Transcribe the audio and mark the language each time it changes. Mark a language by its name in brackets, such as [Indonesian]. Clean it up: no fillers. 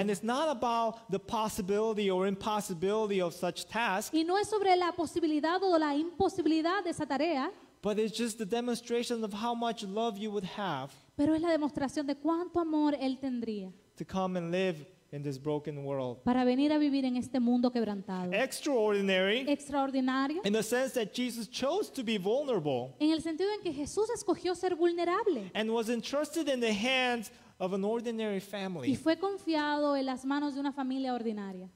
[English] And it's not about the possibility or impossibility of such task. [Spanish] Y no es sobre la posibilidad o la imposibilidad de esa tarea. [English] But it's just the demonstration of how much love you would have. [Spanish] Pero es la demostración de cuánto amor él tendría. [English] To come and live in this broken world. [Spanish] Para venir a vivir en este mundo quebrantado. [English] Extraordinary. [Spanish] Extraordinario. [English] In the sense that Jesus chose to be vulnerable. [Spanish] En el sentido en que Jesús escogió ser vulnerable. [English] And was entrusted in the hands of an ordinary family. [Spanish] Y fue confiado en las manos de una familia ordinaria.